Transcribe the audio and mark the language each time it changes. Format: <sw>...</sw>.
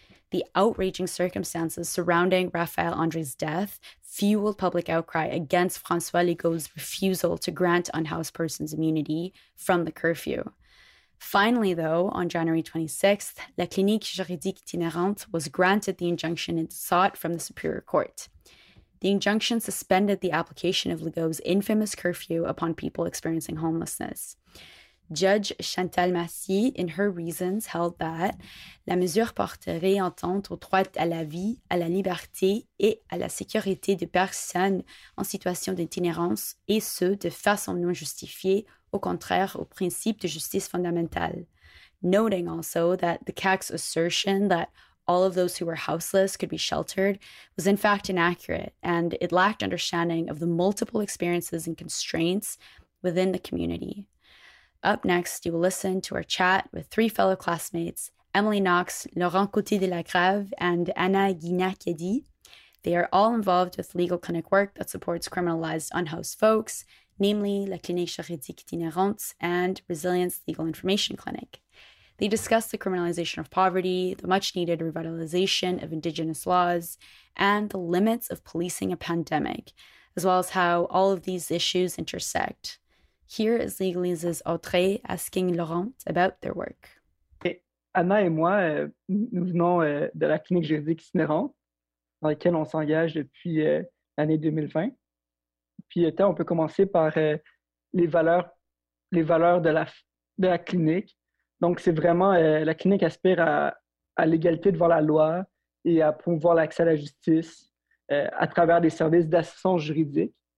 <en>The outraging circumstances surrounding Raphael André's death fueled public outcry against François Legault's refusal to grant unhoused persons immunity from the curfew. Finally, though, on January 26th, La Clinique Juridique Itinérante was granted the injunction it sought from the Superior Court. The injunction suspended the application of Legault's infamous curfew upon people experiencing homelessness. Judge Chantal Massy, in her reasons, held that</en> <fr>la mesure porterait atteinte au droit à la vie, à la liberté et à la sécurité des personnes en situation d'itinérance, et ce, de façon non justifiée, au contraire au principe de justice fondamentale.</fr> <en>Noting also that the CAC's assertion that all of those who were houseless could be sheltered was in fact inaccurate, and it lacked understanding of the multiple experiences and constraints within the community. Up next, you will listen to our chat with three fellow classmates, Emily Knox, Laurent Côté de la Grave, and Anna Guinacchiadi. They are all involved with legal clinic work that supports criminalized unhoused folks, namely La Clinique Juridique Itinérante and Resilience Legal Information Clinic. They discuss the criminalization of poverty, the much-needed revitalization of Indigenous laws, and the limits of policing a pandemic, as well as how all of these issues intersect. Here is Legalize's Audrey asking Laurent about their work.</en> <fr>Anna et moi, nous venons de la clinique juridique itinérante, dans laquelle on s'engage depuis l'année 2020. Puis, on peut commencer par les valeurs de la clinique. Donc, c'est vraiment, la clinique aspire à l'égalité devant la loi et à promouvoir l'accès à la justice à travers des services d'assistance juridique.</fr>